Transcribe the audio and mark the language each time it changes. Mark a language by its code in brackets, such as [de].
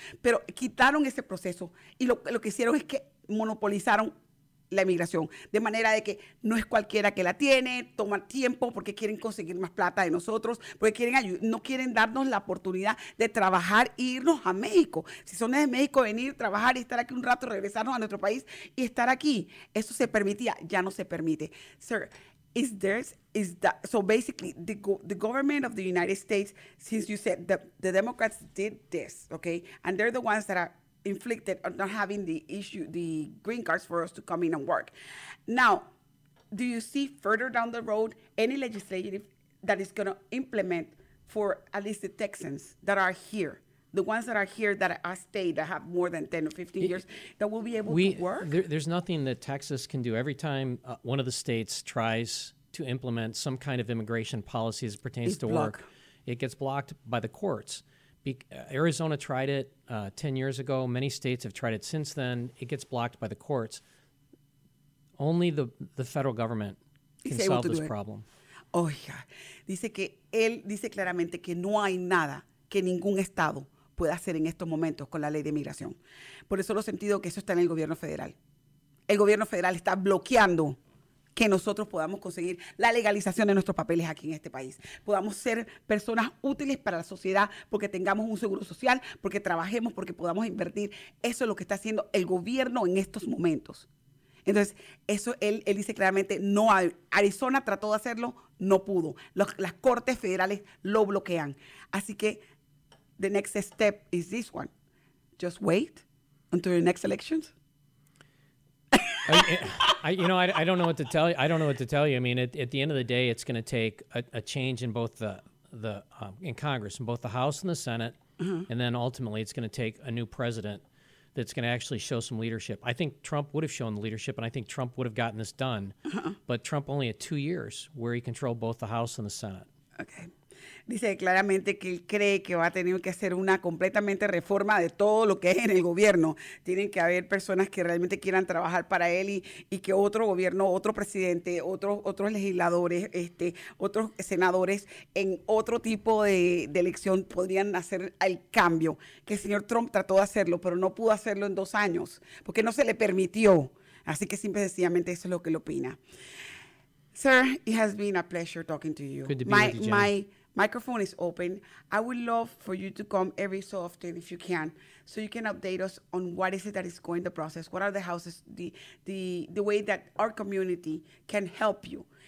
[es] Pero quitaron ese proceso y lo que hicieron es que monopolizaron la inmigración, de manera de que no es cualquiera que la tiene, toma tiempo porque quieren conseguir más plata de nosotros, porque quieren no quieren darnos la oportunidad de trabajar e irnos a México. Si son desde México, venir, trabajar y estar aquí un rato, regresarnos a nuestro país y estar aquí. Eso se permitía, ya no se permite. [en] Sir, the government of the United States, since you said the Democrats did this, okay, and they're the ones that are inflicted on not having the issue, the green cards for us to come in and work. Now, do you see further down the road any legislative that is going to implement for at least the Texans that are here, the ones that are here that are stayed, that have more than 10 or 15 years, that will be able to work? There's nothing that Texas can do. Every time one of the states tries to implement some kind of immigration policy as it pertains to work, it gets blocked by the courts. Arizona tried it 10 years ago. Many states have tried it since then. It gets blocked by the courts. Only the federal government can solve this problem. Oh, yeah. [es] Dice que él dice claramente que no hay nada que ningún estado pueda hacer en estos momentos con la ley de migración. Por eso lo sentido que eso está en el gobierno federal. El gobierno federal está bloqueando que nosotros podamos conseguir la legalización de nuestros papeles aquí en este país. Podamos ser personas útiles para la sociedad porque tengamos un seguro social, porque trabajemos, porque podamos invertir. Eso es lo que está haciendo el gobierno en estos momentos. Entonces, eso él dice claramente, no, Arizona trató de hacerlo, no pudo. Las cortes federales lo bloquean. Así que, [en] the next step is this one. Just wait until the next elections. I don't know what to tell you. I don't know what to tell you. I mean, at the end of the day, it's going to take a change in both in Congress, in both the House and the Senate, and then ultimately it's going to take a new president that's going to actually show some leadership. I think Trump would have shown the leadership, and I think Trump would have gotten this done, but Trump only had 2 years where he controlled both the House and the Senate. Okay. [es] Dice claramente que él cree que va a tener que hacer una completamente reforma de todo lo que es en el gobierno. Tienen que haber personas que realmente quieran trabajar para él y que otro gobierno, otro presidente, otros legisladores, otros senadores en otro tipo de elección podrían hacer el cambio. Que el señor Trump trató de hacerlo, pero no pudo hacerlo en 2 años porque no se le permitió. Así que simple y sencillamente eso es lo que él opina. [en] Sir, it has been a pleasure talking to you. Good to be with you, Jenny. My microphone is open. I would love for you to come every so often if you can, so you can update us on what is it that is going the process. What are the houses, the way that our community can help you?